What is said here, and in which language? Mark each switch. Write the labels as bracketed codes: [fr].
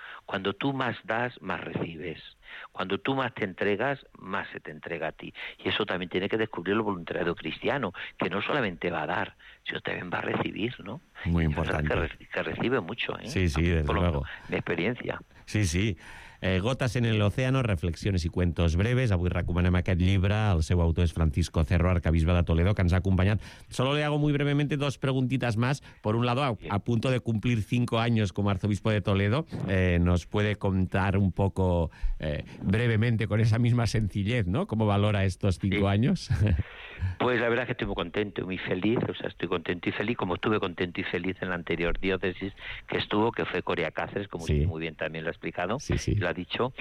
[es] Cuando tú más das, más recibes. Cuando tú más te entregas, más se te entrega a ti. Y eso también tiene que descubrir el voluntariado cristiano, que no solamente va a dar, sino también va a recibir, ¿no? Muy importante. Que recibe mucho, ¿eh? Sí, sí, desde luego. De experiencia. Sí, sí. Gotas en el océano, reflexiones y cuentos breves. [ca] Avui recomanem aquest llibre. El seu autor és Francisco Cerro, arcabisbe de Toledo, que ens ha acompanyat. [es] Solo le hago muy brevemente dos preguntitas más. Por un lado, a punto de cumplir 5 años como arzobispo de Toledo, ¿nos puede contar un poco brevemente, con esa misma sencillez, ¿no?, cómo valora estos 5 años? Pues la verdad es que estoy muy contento y muy feliz, o sea, estoy contento y feliz, como estuve contento y feliz en la anterior diócesis que fue Coria Cáceres, como usted muy bien también lo ha explicado, lo ha dicho.